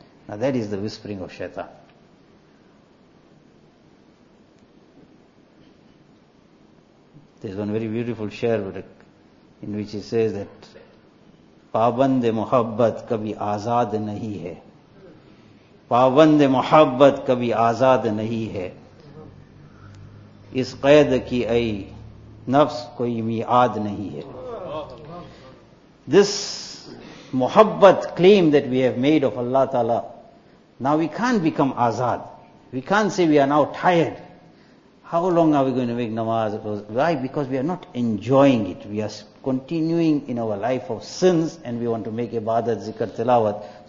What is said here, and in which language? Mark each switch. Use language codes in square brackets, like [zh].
[en] Now that is the whispering of shaitan. There's one very beautiful shair in which he says that [ur] Paband muhabbat kabhi azad nahi hai. پابند محبت کبھی آزاد نہیں ہے اس قید کی ای نفس کوئی میعاد نہیں ہے. [en] This محبت claim that we have made of Allah Ta'ala, now we can't become azad. We can't say we are now tired. How long are we going to make namaz? Why? Because we are not enjoying it. We are continuing in our life of sins and we want to make ibadat, zikr, tilawat.